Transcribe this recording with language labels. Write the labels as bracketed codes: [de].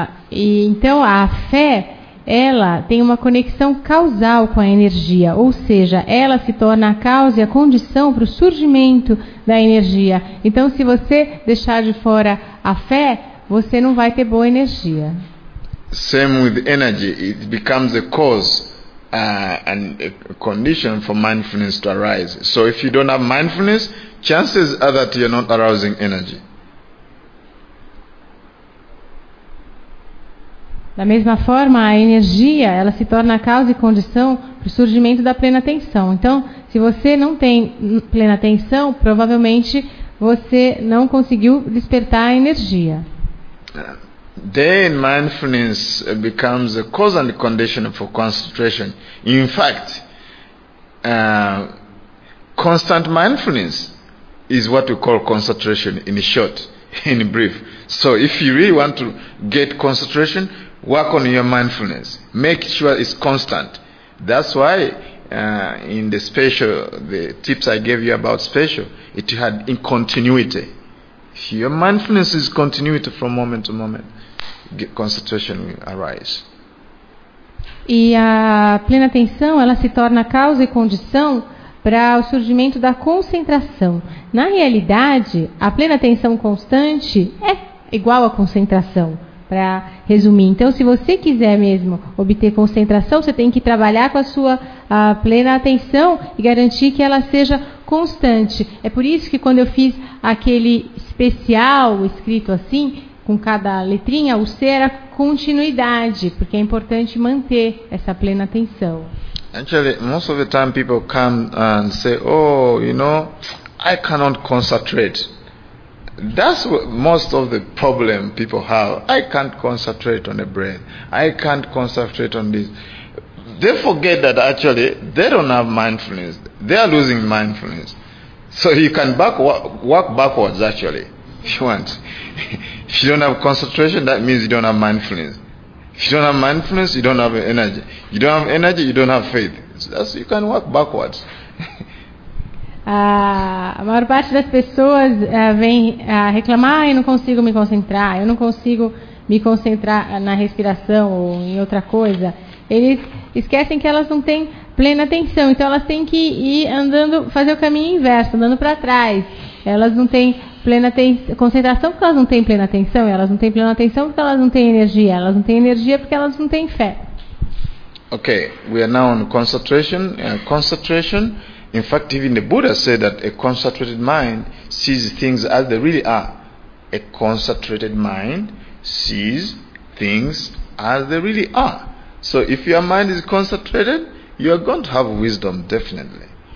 [pt] Então a fé, ela tem uma conexão causal com a energia, ou seja, ela se torna a causa e a condição para o surgimento da energia. Então, se você deixar de fora a fé, você não vai ter boa energia. [en] Same with energy, it becomes a cause and a condition for mindfulness to arise. So, if you don't have mindfulness, chances are that you're not arousing energy. Da mesma forma, a energia, ela se torna a causa e condição para o surgimento da plena atenção. Então, se você não tem plena atenção, provavelmente você não conseguiu despertar a energia. Then mindfulness becomes a cause and condition for concentration. In fact, constant mindfulness is what we call concentration in short, in brief. So, if you really want to get concentration, work on your mindfulness. Make sure it's constant. That's why in the special, the tips I gave you about special, it had in continuity. Your mindfulness is continuity from moment to moment. Concentration will arise. [pt] E a plena atenção, ela se torna causa e condição para o surgimento da concentração. Na realidade, a plena atenção constante é igual à concentração. Para resumir, então, se você quiser mesmo obter concentração, você tem que trabalhar com a sua plena atenção e garantir que ela seja constante. É por isso que quando eu fiz aquele especial escrito assim, com cada letrinha, o C era continuidade, porque é importante manter essa plena atenção. [en] Actually, most of the time people come and say, oh, you know, I cannot concentrate. That's what most of the problem people have. I can't concentrate on the breath. I can't concentrate on this. They forget that actually they don't have mindfulness. They are losing mindfulness. So you can work backwards actually. if you want. If you don't have concentration, that means you don't have mindfulness. If you don't have mindfulness, you don't have energy. You don't have energy, you don't have faith. So that's, you can work backwards. [pt] A maior parte das pessoas vem reclamar, eu não consigo me concentrar, eu não consigo me concentrar na respiração ou em outra coisa. Eles esquecem que elas não têm plena atenção, então elas têm que ir andando, fazer o caminho inverso, andando para trás. Elas não têm plena concentração porque elas não têm plena atenção, elas não têm plena atenção porque elas não têm energia, elas não têm energia porque elas não têm fé. [en] Ok, we are now on concentration. Concentration. In fact, even the Buddha said that a concentrated mind sees things as they really are. A concentrated mind sees things as they really are. So if your mind is concentrated, you are going to have wisdom, definitely.